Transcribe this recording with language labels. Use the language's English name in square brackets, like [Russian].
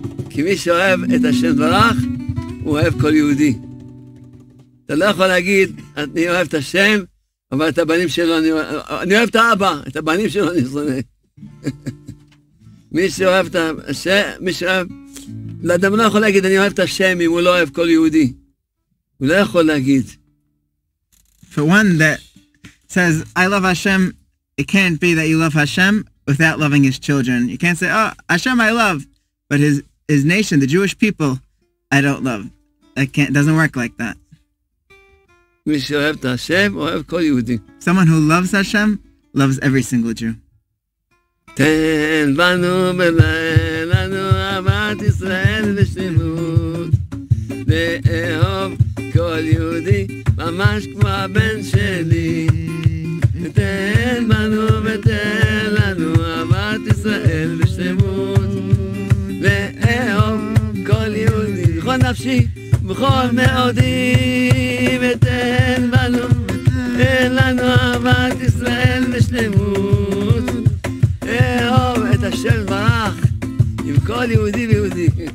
[Hebrew] כי מי שאוהב את השם דברך הוא אוהב כל יהודי אתה לא יכול להגיד אני אוהב את השם אבל את הבנים שלו אני אוהב את האבא את הבנים שלו אני שונא מי שאוהב את השם מי שאוהב לאדם לא יכול להגיד אני אוהב את השם אם הוא לא אוהב כל יהודי הוא לא יכול להגיד [English] for one that says I love Hashem it can't be that you love Hashem without loving his children you can't say oh Hashem I love but his nation the Jewish people I don't love that can't doesn't work like that [Hebrew] מי שאוהב את השם אוהב כל יהודי [English] someone who loves Hashem loves every single Jew [Hebrew] תן בנו ותן לנו אהבת ישראל בשלמות לאהוב כל יהודי ממש כמו הבן שלי תן בנו ותן לנו אהבת ישראל בשלמות לאהוב כל יהודי בכל נפשי בכל מאודי ותן בנו ותן לנו אהבת ישראל בשלמות אהוב את השם ברך עם כל יהודי ויהודי